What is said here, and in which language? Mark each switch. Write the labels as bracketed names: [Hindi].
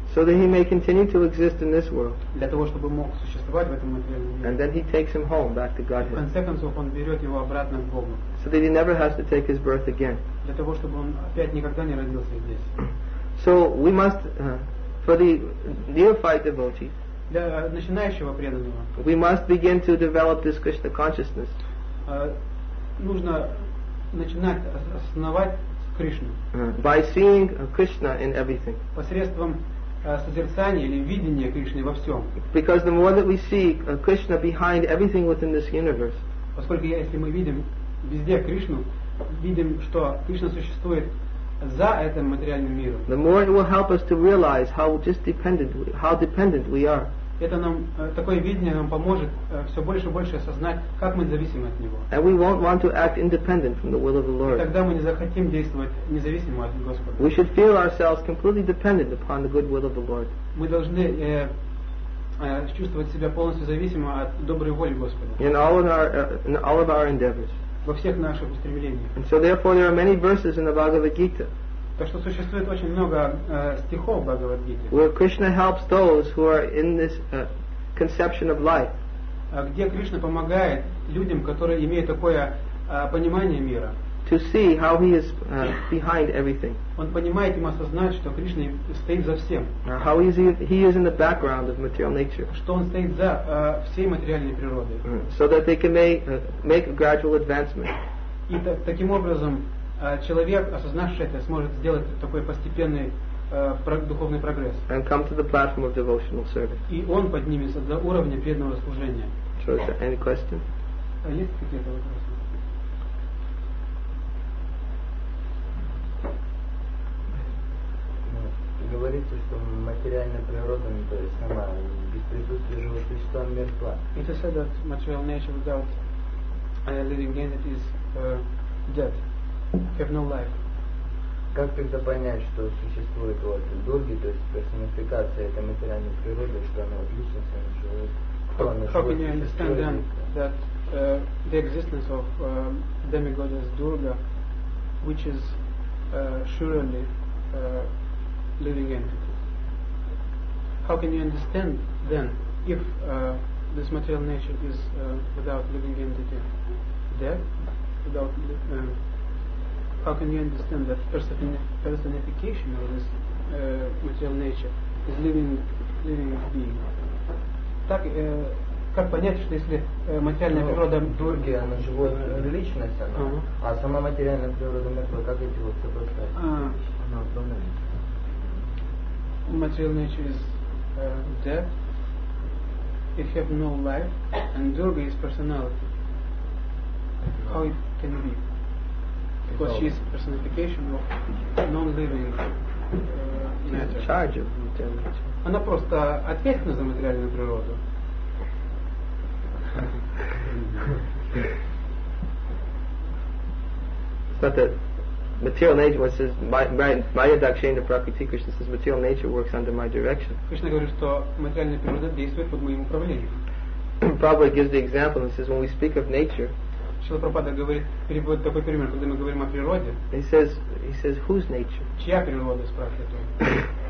[English] So that he may continue to exist in this world. [Russian] Для того, чтобы мог существовать в этом материальном мире. [English] And then he takes him home back to Godhead. [Russian] В конце концов, он берет его обратно к Богу. [English] So that he never has to take his birth again. [Russian] Для того, чтобы он опять никогда не родился здесь. [English] So we must, for the neophyte devotee, [Russian] для начинающего преданного, [English] we must begin to develop this Krishna consciousness. [Russian] Нужно начинать основать Кришну. [English] By seeing Krishna in everything. [Russian] Посредством созерцания или видения Кришны во всем. [English] Because the more that we see Krishna behind everything within this universe. [Russian] Поскольку если мы видим везде Кришну, видим, что Кришна существует за этим материальным миром. [English] The more it will help us to realize how dependent we are. [Russian] Это нам, такое видение нам поможет все больше и больше осознать, как мы зависимы от Него. [English] And we won't want to act independent from the will of the Lord. [Russian] И тогда мы не захотим действовать независимо от Господа. [English] We should feel ourselves completely dependent upon the good will of the Lord. [Russian] Мы должны чувствовать себя полностью зависимо от доброй воли Господа. [English] In all of our endeavors. [Russian] Во всех наших устремлениях. [English] And so therefore there are many verses in the Bhagavad Gita. [Russian] Так что существует очень много стихов в Бхагавад-гите. [English] Where Krishna helps those who are in this conception of life. [Russian] Где Кришна помогает людям, которые имеют такое понимание мира. [English] to see how he is behind everything. [Russian] Он понимает и осознает, что Кришна стоит за всем. [English] How is he is in the background of material nature. [Russian] Что он стоит за всей материальной природой. [English] So that they can make a gradual advancement. [Russian] И таким образом человек, осознавший это, сможет сделать такой постепенный духовный прогресс. [English] And come to the platform of devotional service. [Russian] И он поднимется до уровня преданного служения. [English] So is there any question? [Russian] Есть какие-то вопросы? Говорится, что материальная природа, то есть сама без присутствия живого существа мертва. [English] It is said that material nature without living entity is dead, have no life. [Russian] Как тогда понять, что существует вот дурги, то есть персонификация этой материальной природы, что она личность, она живет? [English] How can you understand then that the existence of demigoddess Durga, which is surely living entity. How can you understand then if this material nature is without living entity dead? Without how can you understand that personification of this material nature is living being? [Russian] Так как понять, что если материальная природа Дурги, она живая личность, она, а сама материальная природа мертва, как эти вот сопоставить? [English] Material nature is dead. It have no life, and Durga is personality. How it can be? Because she is personification of non-living matter. In charge of material nature. [Russian] Она просто ответственна за материальную природу. [English] It's not that. Material nature was says [Sanskrit] my adakshena prakriti. [English] Krishna says material nature works under my direction. [Russian] Krishna говорит, что материальная природа действует под моим управлением. [English] Prabhupada gives the example and says when we speak of nature. [Russian] Шрила Прабхупада говорит, приводит такой пример, когда мы говорим о природе. [English] He says whose nature? [Russian] Чья природа, спрашивает он.